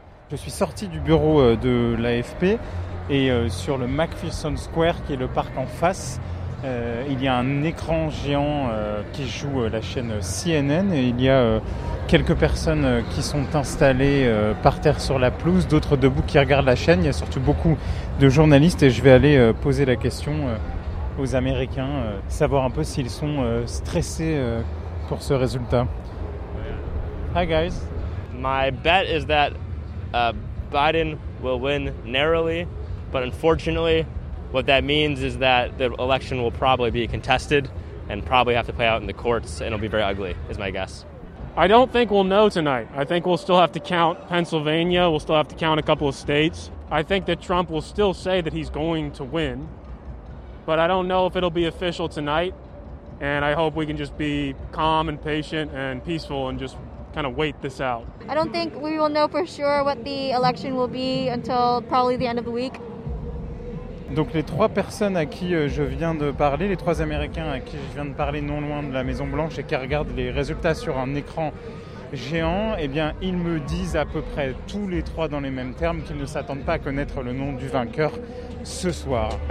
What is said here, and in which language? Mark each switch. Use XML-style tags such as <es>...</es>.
<fr>Je suis sorti du bureau de l'AFP et sur le McPherson Square, qui est le parc en face, il y a un écran géant qui joue la chaîne CNN et il y a quelques personnes qui sont installées par terre sur la pelouse, d'autres debout qui regardent la chaîne. Il y a surtout beaucoup de journalistes et je vais aller poser la question aux Américains, savoir un peu s'ils sont stressés pour ce résultat.</fr> <en>Hi guys. My bet is that Biden will win narrowly, but unfortunately... What that means is that the election will probably be contested and probably have to play out in the courts, and it'll be very ugly, is my guess. I don't think we'll know tonight. I think we'll still have to count Pennsylvania. We'll still have to count a couple of states. I think that Trump will still say that he's going to win, but I don't know if it'll be official tonight, and I hope we can just be calm and patient and peaceful and just kind of wait this out. I don't think we will know for sure what the election will be until probably the end of the week.</en> <fr>Donc les trois personnes à qui je viens de parler, les trois Américains à qui je viens de parler non loin de la Maison Blanche et qui regardent les résultats sur un écran géant, eh bien ils me disent à peu près tous les trois dans les mêmes termes qu'ils ne s'attendent pas à connaître le nom du vainqueur ce soir.</fr>